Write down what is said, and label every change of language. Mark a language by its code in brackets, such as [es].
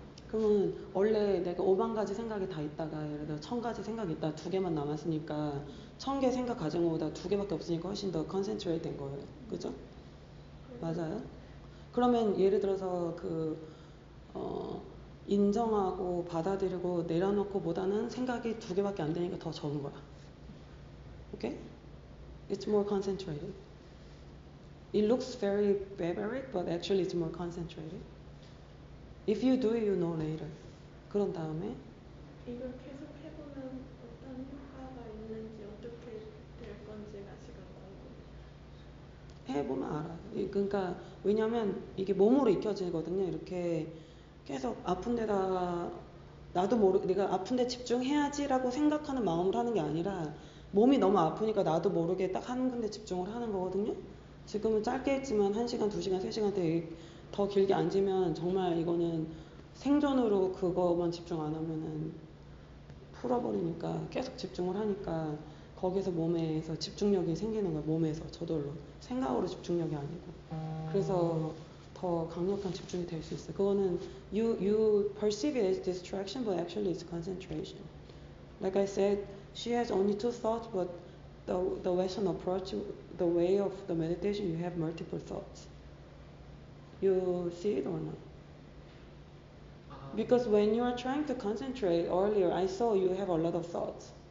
[ko] 그러면 원래 내가 5만 가지 생각이 다 있다가 예를 들어 천 가지 생각이 있다 두 개만 남았으니까 천개 생각 가진 것보다 두 개밖에 없으니까 훨씬 더 컨센트레이트 된 거예요. 그죠? 맞아요? 그러면 예를 들어서 인정하고 받아들이고 내려놓고보다는 생각이 두 개밖에 안 되니까 더 적은 거야. [en] 오케이? It's more concentrated. It looks very barbaric, but actually it's more concentrated. If you do it, you know later. [ko] 그런 다음에 이걸 계속 해보면 어떤 효과가 있는지 어떻게 될 건지가 지금 해보면 알아. 그러니까 왜냐면 이게 몸으로 익혀지거든요. 이렇게 계속 아픈 데다가 나도 모르 내가 아픈 데 집중해야지라고 생각하는 마음으로 하는 게 아니라 몸이 너무 아프니까 나도 모르게 딱한 군데 집중을 하는 거거든요. 지금은 짧게 했지만 1시간, 2시간, 3시간 되게 더 길게 앉으면 정말 이거는 생존으로 그것만 집중 안 하면은 풀어버리니까 계속 집중을 하니까 거기서 몸에서 집중력이 생기는 거야. 몸에서 저절로 생각으로 집중력이 아니고 그래서 더 강력한 집중이 될수 있어. 그거는 [en] you perceive it as distraction, but actually it's concentration. Like I said, she has only two thoughts, but the Western approach, the way of the meditation, you have multiple thoughts. You see it or not? Because when you are trying to concentrate earlier, I saw you have a lot of thoughts.